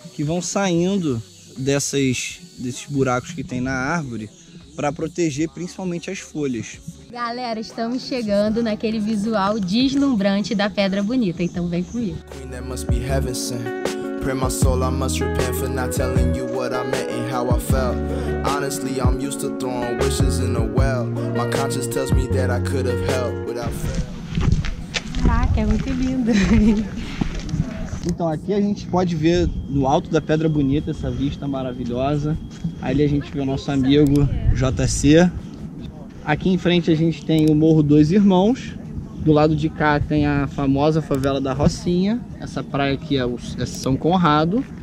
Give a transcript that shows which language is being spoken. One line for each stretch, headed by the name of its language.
Portuguese: que vão saindo desses buracos que tem na árvore para proteger principalmente as folhas. Galera, estamos chegando naquele visual deslumbrante da Pedra Bonita, então vem comigo.
English: Pray my soul, I must repent for not telling you what I meant and how I felt. Honestly, I'm used to throwing wishes in a well. My conscience tells me that I could have helped without fail.
Portuguese: Caraca, é muito lindo. Então, aqui a gente pode ver no alto da Pedra Bonita essa vista maravilhosa. Ali a gente vê o nosso amigo JC. Aqui em frente a gente tem o Morro Dois Irmãos. Do lado de cá tem a famosa favela da Rocinha. Essa praia aqui é São Conrado.